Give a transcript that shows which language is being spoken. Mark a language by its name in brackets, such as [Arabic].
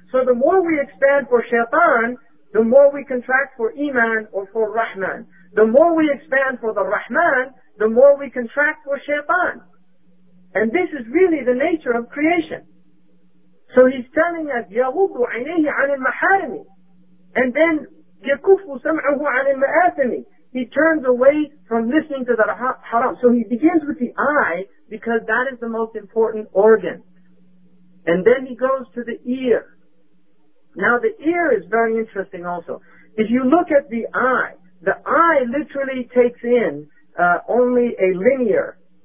[English] So the more we expand for shaitan, the more we contract for iman or for rahman. The more we expand for the rahman, the more we contract for shaitan. And this is really the nature of creation. So he's telling us, يَغُضُّ عَنَيْهِ عَنِ الْمَحَارِمِ. [Arabic] And then, يَكُفُّ سَمْعَهُ عَنِ الْمَآثِمِ. [English] He turns away from listening to the haram. So he begins with the eye, because that is the most important organ. And then he goes to the ear. Now the ear is very interesting also. If you look at the eye literally takes in only a linear.